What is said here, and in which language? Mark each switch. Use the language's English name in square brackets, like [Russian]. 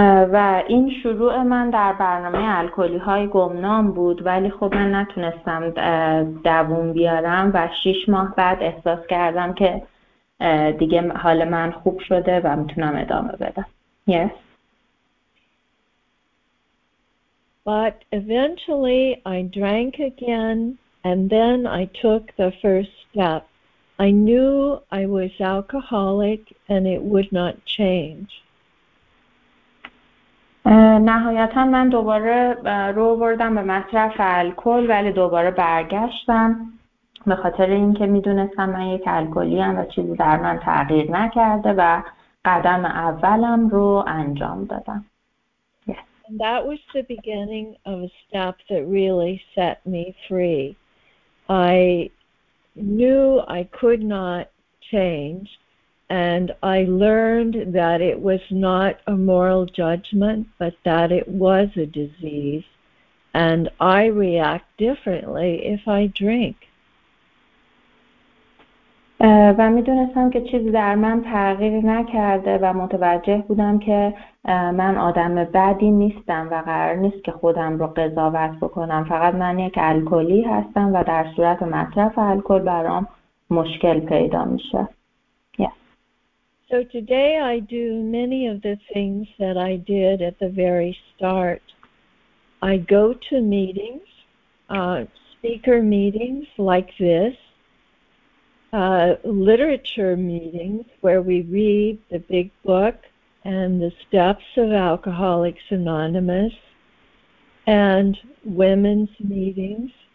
[Persian] و این شروع من در برنامه الکلی‌های گمنام بود، ولی خب من نتونستم دووم بیارم و 6 ماه بعد احساس کردم که دیگه حال من خوب شده و میتونم ادامه بدم. [English] Yes. But eventually I drank again and then I took the first step. I knew I was alcoholic and it would not change. [Persian] نهایتا من دوباره رو بردم به مصرف الکل، ولی دوباره برگشتم به خاطر اینکه میدونستم من یک الکلی ام و چیزی در من تغییر نکرده و قدم اولم رو انجام دادم. [English] Yes. And that was the beginning of a step that really set me free. I knew I could not change. And I learned that it was not a moral judgment, but that it was a disease. And I react differently if I drink. [Persian] و می دونستم که چیزی در من تغییر نکرده و متوجه بودم که من آدم بدی نیستم و قرار نیست که خودم رو قضاوت بکنم. فقط من یک الکلی هستم و در صورت مصرف الکل برام مشکل پیدا میشه. [English] So today I do many of the things that I did at the very start. I go to meetings, speaker meetings like this, literature meetings where we read the big book and the steps of Alcoholics Anonymous, and women's meetings.